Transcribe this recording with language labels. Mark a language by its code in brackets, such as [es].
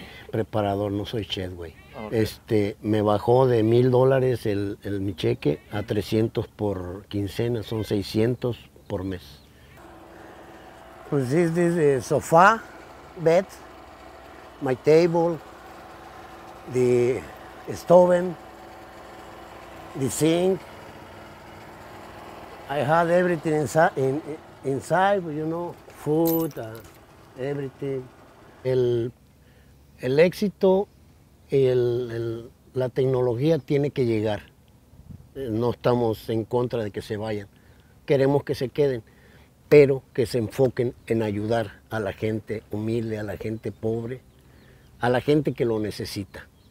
[es] Preparador, no soy chef, güey. Me bajó de $1,000 el mi cheque a 300 por quincena, son 600. Por mes. [en] This is a sofa, bed, my table, the stove, the sink. I had everything inside, you know, food, everything. [es] El éxito y la tecnología tiene que llegar. No estamos en contra de que se vayan. Queremos que se queden, pero que se enfoquen en ayudar a la gente humilde, a la gente pobre, a la gente que lo necesita.